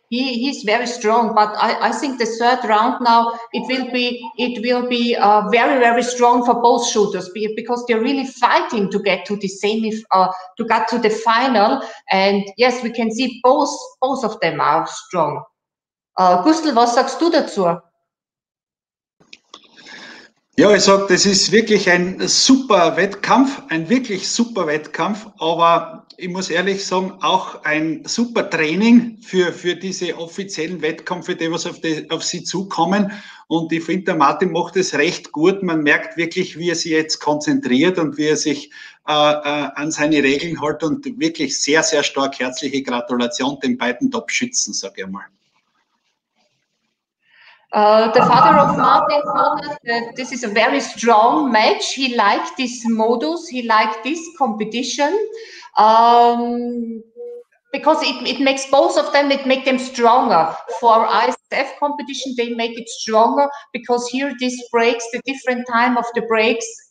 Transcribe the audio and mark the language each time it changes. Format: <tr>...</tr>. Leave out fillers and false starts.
<en>He's very strong, but I think the third round now it will be very, very strong for both shooters because they're really fighting to get to the final. And yes, we can see both of them are strong.</en> <de>Gustl, was sagst du dazu? Ja, ich sag, das ist wirklich ein super Wettkampf, ein wirklich super Wettkampf, aber ich muss ehrlich sagen, auch ein super Training für diese offiziellen Wettkämpfe, die was auf sie zukommen. Und ich finde, der Martin macht es recht gut. Man merkt wirklich, wie er sich jetzt konzentriert und wie er sich an seine Regeln hält. Und wirklich sehr, sehr stark herzliche Gratulation den beiden Top-Schützen, sage ich einmal.</de> <en>The father of Martin told us that this is a very strong match. He liked this modus. He liked this competition because it makes both of them, it makes them stronger. For ISF competition, they make it stronger because here this breaks, the different time of the breaks.</en>